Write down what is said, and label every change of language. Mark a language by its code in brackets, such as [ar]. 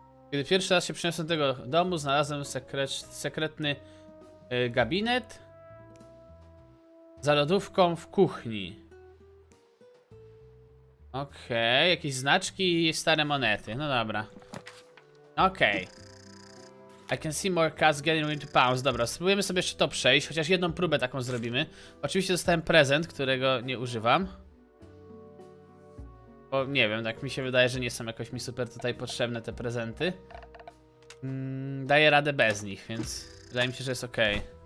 [pl] Kiedy pierwszy raz się przeniosłem do tego domu, znalazłem sekretny gabinet za lodówką w kuchni. Okej, jakieś znaczki i stare monety. No dobra. [en] Okej. I can see more cats getting into pounds. [pl] Dobra, spróbujemy sobie jeszcze to przejść, chociaż jedną próbę taką zrobimy. Oczywiście dostałem prezent, którego nie używam. Bo nie wiem, tak mi się wydaje, że nie są jakoś mi super tutaj potrzebne te prezenty. Daję radę bez nich, więc wydaje mi się, że jest okej.